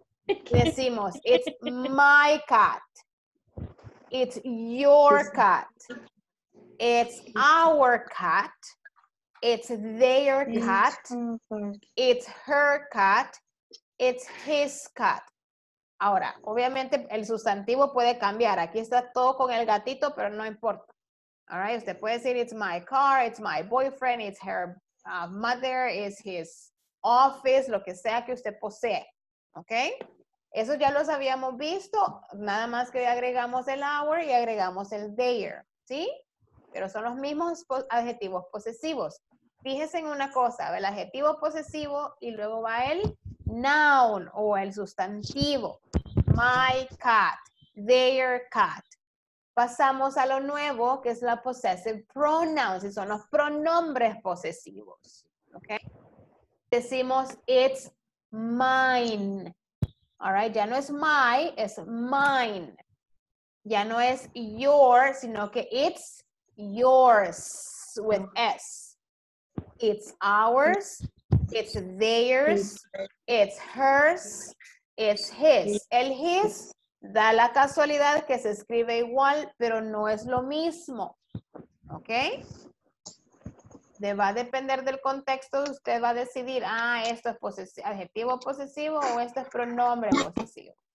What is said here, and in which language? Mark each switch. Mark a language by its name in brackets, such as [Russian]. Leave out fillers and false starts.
[Spanish] Decimos, [English] it's my cat, it's your cat, it's our cat, it's their cat, it's her cat, it's his cat. [Spanish] Ahora, obviamente el sustantivo puede cambiar. Aquí está todo con el gatito, pero no importa. [English] All right, [Spanish] usted puede decir, [English] it's my car, it's my boyfriend, it's her mother, it's his office, [Spanish] lo que sea que usted posee. Okay? Eso ya los habíamos visto, nada más que agregamos el our y agregamos el their, ¿sí? Pero son los mismos adjetivos posesivos. Fíjense en una cosa, el adjetivo posesivo y luego va el noun o el sustantivo. [English] My cat, their cat. [Spanish] Pasamos a lo nuevo que es la [English] possessive pronouns [Spanish] y son los pronombres posesivos. [English] ¿Okay? Decimos it's mine. All right, [Spanish] ya no es my, es mine. Ya no es your, sino que [English] it's yours with S. It's ours, it's theirs, it's hers, it's his. [Spanish] El his da la casualidad que se escribe igual, pero no es lo mismo. ¿Ok? Va a depender del contexto, usted va a decidir, ah, esto es adjetivo posesivo o esto es pronombre posesivo.